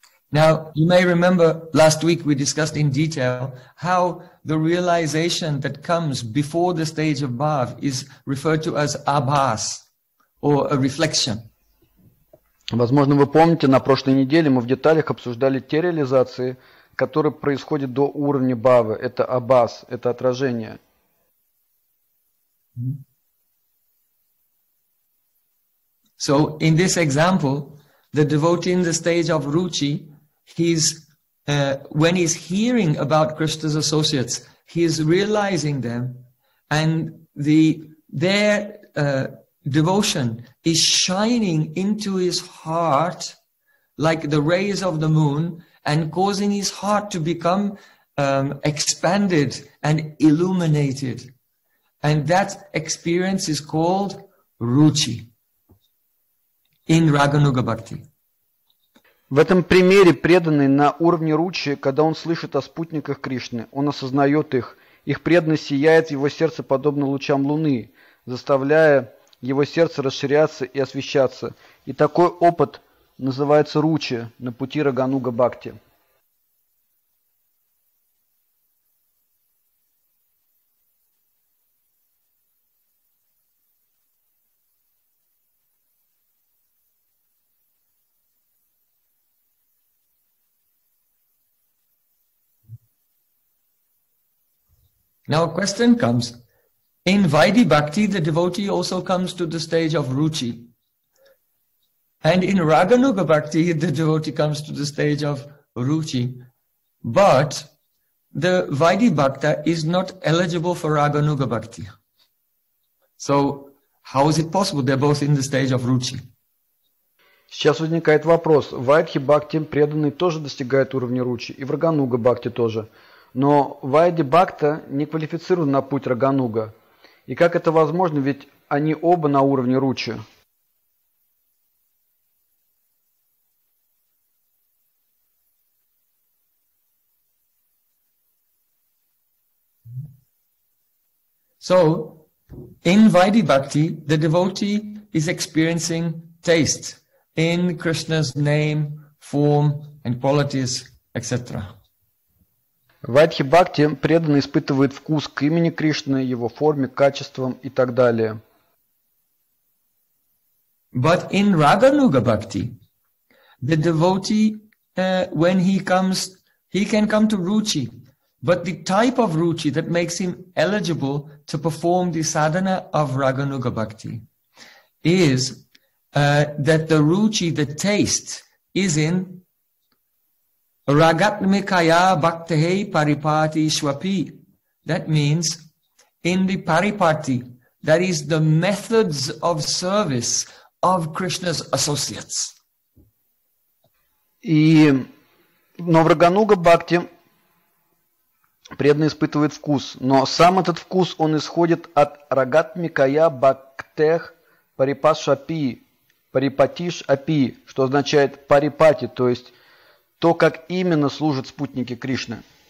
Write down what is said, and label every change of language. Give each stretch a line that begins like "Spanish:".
English: Now, you may remember last week we discussed in detail how the realization that comes before the stage of bhav is referred to as abhas, or a reflection.
Russian: Возможно, вы помните, на прошлой неделе мы в деталях обсуждали те реализации, которые происходят до уровня бхавы. Это абхас, это отражение.
English: So, in this example, the devotee in the stage of ruchi, he's, when he's hearing about Krishna's associates, he's realizing them, and their devotion is shining into his heart like the rays of the moon and causing his heart to become expanded and illuminated. And that experience is called ruchi in Raganuga Bhakti.
Russian: В этом примере преданный на уровне ручи, когда он слышит о спутниках Кришны, он осознает их. Их преданность сияет в его сердце подобно лучам луны, заставляя его сердце расширяться и освещаться. И такой опыт называется ручи на пути Рагануга Бхакти.
English: Now a question comes. In Vaidhi Bhakti, the devotee also comes to the stage of Ruchi. And in Raganuga Bhakti, the devotee comes to the stage of Ruchi. But the Vaidhi Bhakta is not eligible for Raganuga Bhakti. So how is it possible they're both in the stage of Ruchi?
Russian: Сейчас возникает вопрос. В Вайдхи Бхакти преданный тоже достигает уровня Ручи. И в Рагануга Бхакти тоже. Но Вайди Бхакта не квалифицирован на путь Рагануга. И как это возможно, ведь они оба на уровне Ручи.
English: So, in Vaidhi Bhakti, the devotee is experiencing taste in Krishna's name, form and qualities, etc.
Russian: В Вайдхи Бхакти преданный испытывает вкус к имени Кришны, его форме, качествам и так далее.
English: But in Raganuga Bhakti, the devotee, when he comes, he can come to Ruchi. But the type of Ruchi that makes him eligible to perform the sadhana of Raganuga Bhakti is that the Ruchi, the taste, is in
Sanskrit: Ragatmikaya Bhaktihe Paripati Shwapi.
English: That means in the Paripati, that is the methods of service of Krishna's associates.
Russian: И, но в Рагануга Бхакти преданный испытывает вкус, но сам этот вкус он исходит от
Sanskrit: Рагатмикая Бхактех Парипашапи, Парипатиш Апи,
Russian: что означает парипати, то есть то, как именно служат спутники Кришны.